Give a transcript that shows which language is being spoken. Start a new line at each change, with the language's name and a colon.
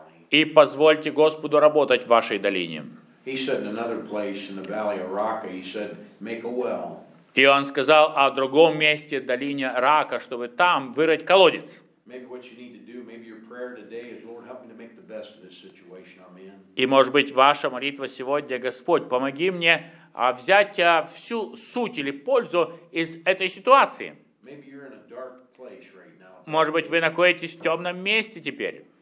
Russian: И позвольте Господу работать в вашей долине.
English: He said in another place in the valley of Raca, he said, make a well.
Russian: И он сказал о другом месте, долине Рака, чтобы там вырыть колодец.
English: Maybe what you need to do, maybe your prayer today is, Lord, help me to make the best of this situation I'm in.
Russian: И может быть, ваша молитва сегодня, Господь, помоги мне взять всю суть или пользу из этой ситуации.
English: Maybe you're in a dark place right now.
Russian: Может быть, вы находитесь в темном месте теперь.